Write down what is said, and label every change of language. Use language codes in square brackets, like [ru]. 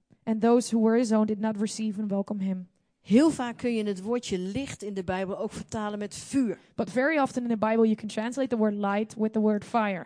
[en] And those who were his own did not receive and welcome him. [nl] Heel vaak kun je het woordje licht in de Bijbel ook vertalen met vuur. [en] But very often in the Bible you can translate the word light with the word fire.